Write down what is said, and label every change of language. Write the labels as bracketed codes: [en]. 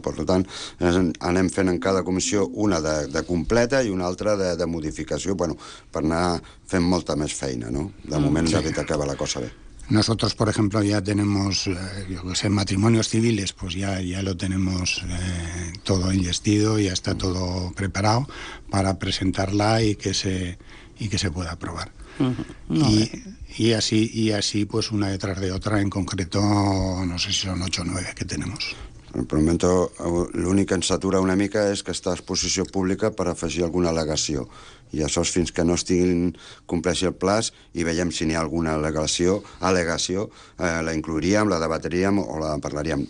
[ca] Per tant, anem fent en cada comissió una de completa i una altra de modificació, bueno, per anar fent molta més feina, no? De moment, sí. David, acaba la cosa bé. [es] Nosotros, por ejemplo, ya tenemos, yo que sé, matrimonios civiles, pues ya lo tenemos todo ingestido, ya está todo preparado para presentarla y que se pueda aprobar. Y así, pues una detrás de otra, en concreto, no sé si son 8 o 9 que tenemos. Por el momento, [ca] l'únic que ens atura una mica és que està a exposició pública per afegir alguna al·legació. I això és fins que no estiguin compleixi el plaç i veiem si n'hi ha alguna al·legació, la incluiríem, la debateríem o la parlaríem.